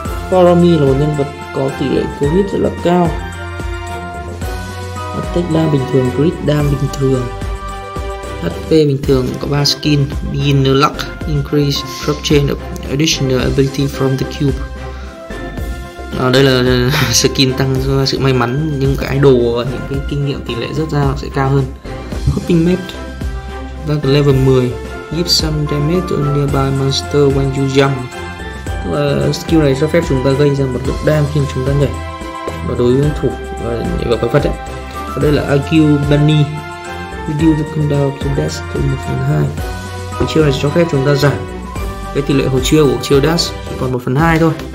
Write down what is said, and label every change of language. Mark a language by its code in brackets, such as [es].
[vi] Farami là một nhân vật có tỷ lệ crit rất là cao, attack đam bình thường, crit đam bình thường, HP bình thường, có 3 skin, [en] beginner luck, increase drop chain of additional ability from the cube. [vi] Đây là skin tăng sự may mắn, nhưng cái đồ, những cái kinh nghiệm tỷ lệ rớt ra sẽ cao hơn. [en] Hopping map, [vi] chúng ta level 10, [en] give some damage to nearby monster when you jump. [vi] Và skill này cho phép chúng ta gây ra một lượng đam khi chúng ta nhảy và đối với thủ và nhảy vào quái vật ấy. Và đây là [en] IQ Bunny, Reduce the countdown of the dash to 1/2. [vi] Cái chiêu này cho phép chúng ta giảm cái tỷ lệ hồi chiêu của chiêu dash chỉ còn 1/2 thôi.